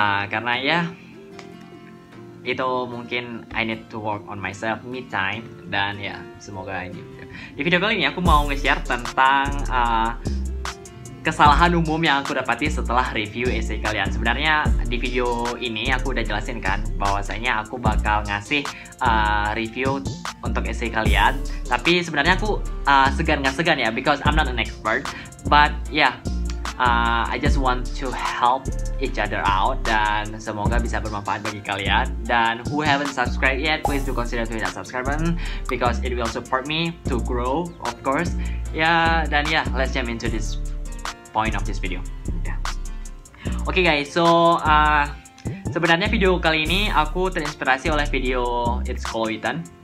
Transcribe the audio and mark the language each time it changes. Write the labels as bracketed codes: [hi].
[id] Karena ya, itu mungkin [en] I need to work on myself, me time. [id] Dan ya, semoga ini. Di video kali ini aku mau nge-share tentang kesalahan umum yang aku dapati setelah review essay kalian. Sebenarnya di video ini aku udah jelasin kan bahwasanya aku bakal ngasih review untuk essay kalian. Tapi sebenarnya aku segan nggak segan ya, [en] because I'm not an expert. But yeah, I just want to help each other out [id] dan semoga bisa bermanfaat bagi kalian. [en] Dan who haven't subscribed yet, please do consider to hit that subscribe button because it will support me to grow, of course. Yeah, dan yeah, let's jump into this point of this video. Yeah. [id] Okay guys, so sebenarnya video kali ini aku terinspirasi oleh video It's Chloe Eaton.